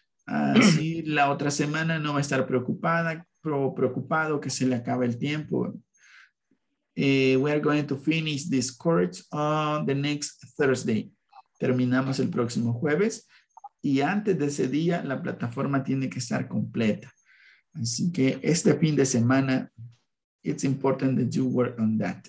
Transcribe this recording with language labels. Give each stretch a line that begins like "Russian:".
Spanish: Así la otra semana no va a estar preocupado que se le acabe el tiempo.
English: We are going to finish this course on the next Thursday.
Spanish: Terminamos el próximo jueves y antes de ese día la plataforma tiene que estar completa. Así que este fin de semana,
English: it's important that you work on that.